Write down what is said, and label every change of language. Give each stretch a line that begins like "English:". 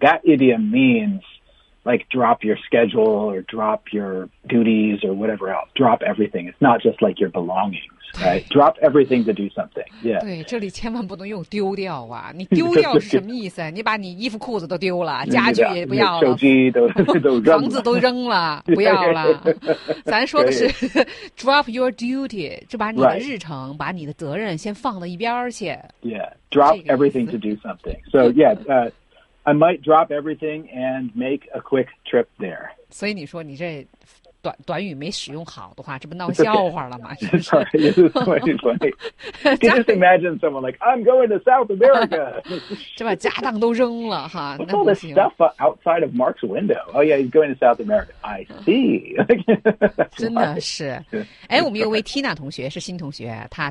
English: That idiom means like drop your schedule or drop your duties or whatever else. Drop everything. It's not just like your belongings, right? Drop everything to do something. Yeah.
Chinese: 对，这里千万不能用丢掉啊！你丢掉是什么意思？你把你衣服裤子都丢了，家具也不要了，手机都扔了，房子都扔了，不要了。咱说的是
English: drop your duty，
Chinese: 就把你的日程、
English: right.
Chinese: 把你的责任先放到一边去。
English: Yeah. Drop everything to do something. So, yeah, I might drop everything and make a quick trip there.
Chinese: 所以你说你这短语没使用好的话，这不闹笑话了吗？是不是？
English: Sorry, this is 2020. Can you just imagine someone like, I'm going to South America.
Chinese: 这把家当都扔了哈。
English: What's all this stuff outside of Mark's window? Oh yeah, he's going to South America. I see.
Chinese: 真的是。哎，我们有位 Tina 同学，是新同学，她